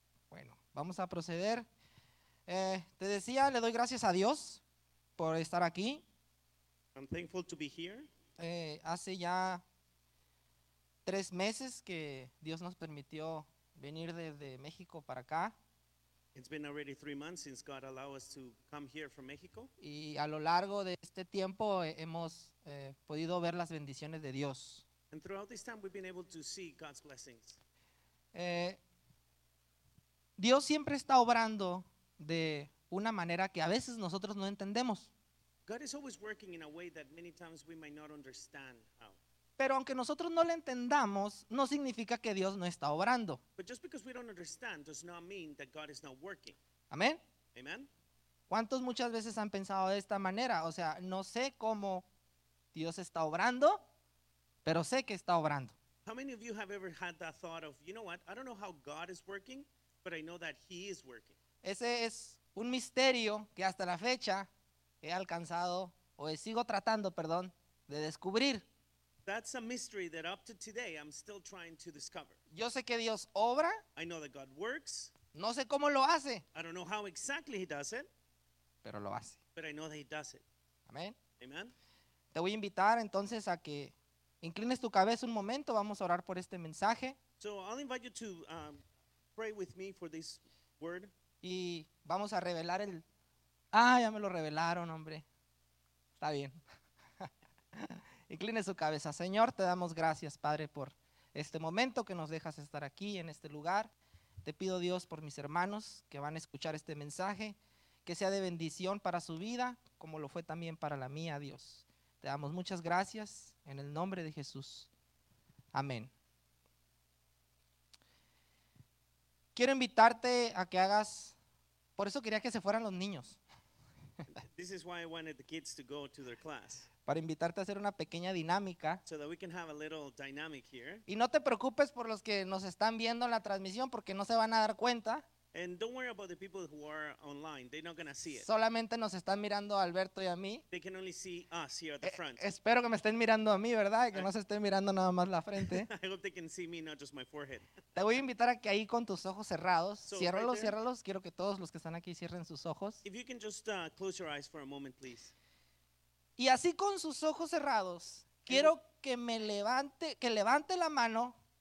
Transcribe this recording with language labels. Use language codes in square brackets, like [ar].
[es] Bueno, vamos a proceder. Te decía, le doy gracias a Dios por estar aquí. [en] I'm thankful to be here. [es] Hace ya 3 meses que Dios nos permitió venir desde México para acá. [en] It's been already 3 months since God allowed us to come here from Mexico. [es] Y a lo largo de este tiempo hemos podido ver las bendiciones de Dios. [en] And throughout this time we've been able to see God's blessings. [es] Dios siempre está obrando de una manera que a veces nosotros no entendemos. [en] God is always working in a way that many times we might not understand how. [es] Pero aunque nosotros no lo entendamos, no significa que Dios no está obrando. [en] But just because we don't understand does not mean that God is not working. [es] Amén. [en] Amen. [es] ¿Cuántos muchas veces han pensado de esta manera? O sea, no sé cómo Dios está obrando, pero sé que está obrando. [en] How many of you have ever had that thought of, you know what, I don't know how God is working, but I know that he is working. [es] Ese es un misterio que hasta la fecha he alcanzado, o sigo tratando, perdón, de descubrir. [en] That's a mystery that up to today I'm still trying to discover. [es] Yo sé que Dios obra. [en] I know that God works. [es] No sé cómo lo hace. [en] I don't know how exactly he does it. [es] Pero lo hace. [en] But I know that he does it. [es] Amén. [en] Amen. [es] Te voy a invitar entonces a que inclines tu cabeza un momento. Vamos a orar por este mensaje. [en] So I'll invite you to pray with me for this word. [es] Y vamos a revelar el... Ah, ya me lo revelaron, hombre. Está bien. Incline su cabeza. Señor, te damos gracias, Padre, por este momento que nos dejas estar aquí en este lugar. Te pido, Dios, por mis hermanos que van a escuchar este mensaje, que sea de bendición para su vida, como lo fue también para la mía, Dios. Te damos muchas gracias en el nombre de Jesús. Amén. Quiero invitarte a que hagas, por eso quería que se fueran los niños. [en] This is why I wanted the kids to go to their class. [es] Para invitarte a hacer una pequeña dinámica. [en] So that we can have a little dynamic here. [es] Y no te preocupes por los que nos están viendo en la transmisión porque no se van a dar cuenta. [en] And don't worry about the people who are online. They're not going to see it. [es] Solamente nos están mirando Alberto y a mí. [en] They can only see us here at the front. [es] Espero que me estén mirando a mí, ¿verdad? Y que no se estén mirando nada más la frente. [en] I hope they can see me, not just my forehead. [es] Te voy a invitar a que ahí con tus ojos cerrados, so ciérralos, right, ciérralos. Quiero que todos los que están aquí cierren sus ojos. [en] If you can just close your eyes for a moment, please. [es] Y así con sus ojos cerrados, quiero que me levante, que levante la mano.